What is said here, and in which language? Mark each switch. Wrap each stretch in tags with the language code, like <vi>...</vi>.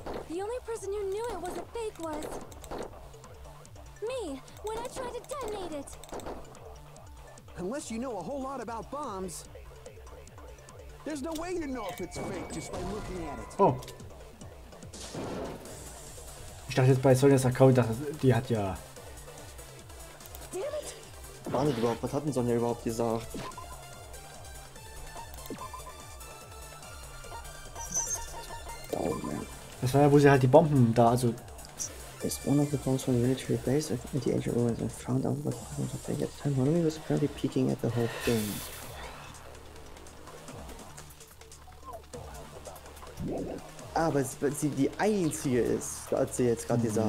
<en>The only person who knew it was a fake was me, when I tried to detonate it. Unless you know a whole lot about bombs, there's no way you know if it's fake just by looking at it. Oh.</en> <de>Ich dachte jetzt bei Sonjas Account, dass die hat ja...</de> <en>Damn it.</en> <de>War nicht überhaupt, was hat denn Sonja überhaupt gesagt? Das war ja, wo sie halt die Bomben da, also</de> <en>is one of the bombs from the military base in the ancient ruins and found out what happened at the time. One of them was apparently peeking at the whole thing.</en> <de>Aber ah, sie die einzige ist, hat sie jetzt gerade gesagt.</de>